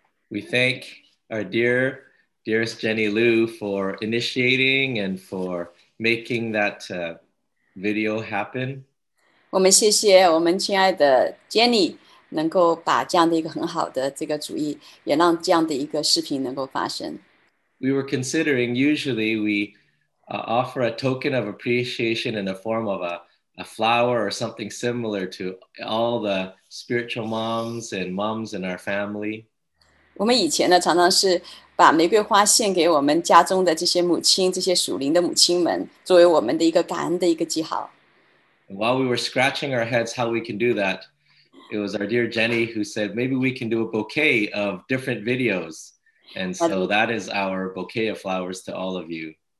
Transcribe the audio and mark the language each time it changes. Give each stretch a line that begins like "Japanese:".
English: We thank our dearest Jenny Lou for initiating and for making that video happen.
Chinese: 我们谢谢我们亲爱的Jenny 能够把这样的一个很好的这个主意也让这样的一个视频能够发生。
English: We were considering, usually we offer a token of appreciation in the form of a flower or something similar to all the spiritual moms and moms in our family.
Chinese: 我们以前呢常常是把玫瑰花献给我们家中的这些母亲，这些属灵的母亲们，作为我们的一个感恩的一个记号。
English: While we were scratching our heads how we can do that, it was our dear Jenny who said, maybe we can do a bouquet of different videos. And so that is our bouquet of flowers to all of you.